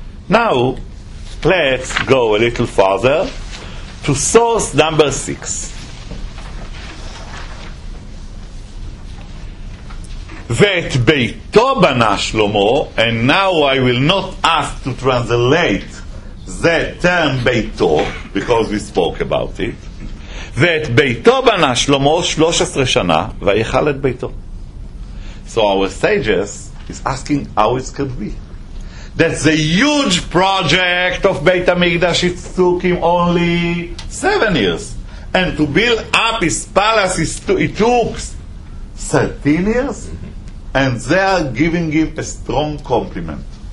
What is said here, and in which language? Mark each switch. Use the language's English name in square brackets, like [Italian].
[English] Now, let's go a little further to source number 6. [Hebrew] Ve'et beito bana Shlomo, [English] and now I will not ask to translate the term beito, because we spoke about it. [Hebrew] ואת ביתו בנה שלמה 13 שנה ויחל את ביתו. [English] So our sages is asking how it could be that the huge project of Beit HaMikdash, it took him only 7 years, and to build up his palace it took 13 years, and they are giving him a strong compliment.